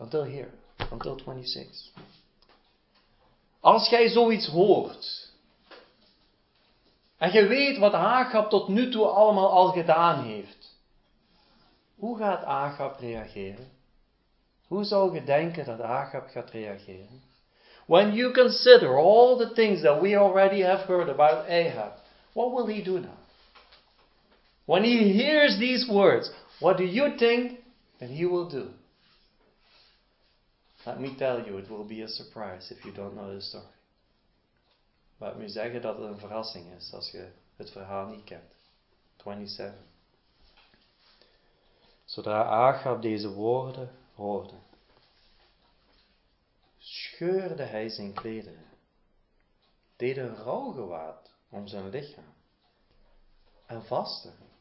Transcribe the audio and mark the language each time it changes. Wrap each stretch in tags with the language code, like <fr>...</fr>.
<en>Until here, until 26.</en> <nl>Als jij zoiets hoort, en je weet wat Achab tot nu toe allemaal al gedaan heeft, hoe gaat Achab reageren? Hoe zou je denken dat Achab gaat reageren?</nl> <en>When you consider all the things that we already have heard about Ahab, what will he do now? When he hears these words, what do you think that he will do? Let me tell you, it will be a surprise if you don't know the story. Let me</en> <nl>zeggen dat het een verrassing is als je het verhaal niet kent. 27. Zodra Ahab deze woorden hoorde, scheurde hij zijn klederen, deed een rouwgewaad om zijn lichaam en vastte.</nl>